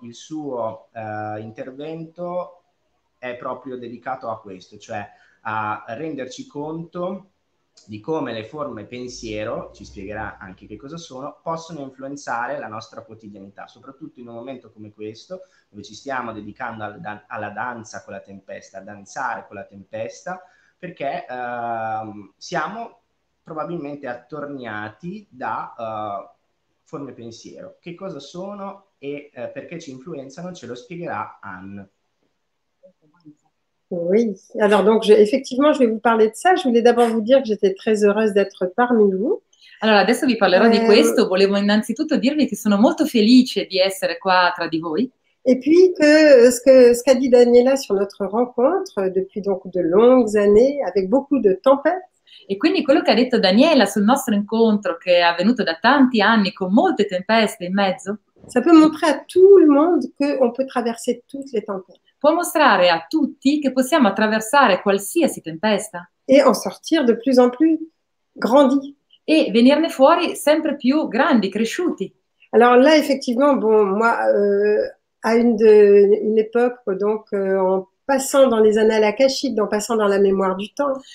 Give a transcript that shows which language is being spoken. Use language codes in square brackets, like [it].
[it] Il suo intervento è proprio dedicato a questo, cioè a renderci conto di come le forme pensiero, ci spiegherà anche che cosa sono, possono influenzare la nostra quotidianità, soprattutto in un momento come questo, dove ci stiamo dedicando alla danza con la tempesta, a danzare con la tempesta, perché siamo probabilmente attorniati da forme pensiero. Che cosa sono e perché ci influenzano, ce lo spiegherà Anne. [fr] Oui, alors donc effectivement je vais vous parler de ça, je voulais d'abord vous dire que j'étais très heureuse d'être parmi vous. [it] Allora, adesso vi parlerò di questo, volevo innanzitutto dirvi che sono molto felice di essere qua tra di voi. [fr] Et puis que ce qu'a dit Daniela sur notre rencontre depuis donc de longues années avec beaucoup de tempêtes. [it] E quindi quello che ha detto Daniela sul nostro incontro che è avvenuto da tanti anni con molte tempeste in mezzo. [fr] Ça peut montrer à tout le monde que on peut traverser toutes les tempêtes. [it] Può mostrare a tutti che possiamo attraversare qualsiasi tempesta. [fr] E en sortir de plus en plus grandi. [it] E venirne fuori sempre più grandi, cresciuti. [fr] Alors là, effectivement, bon, moi, à une époque, donc, en passant dans les annales akashiques, en passant dans la mémoire du temps.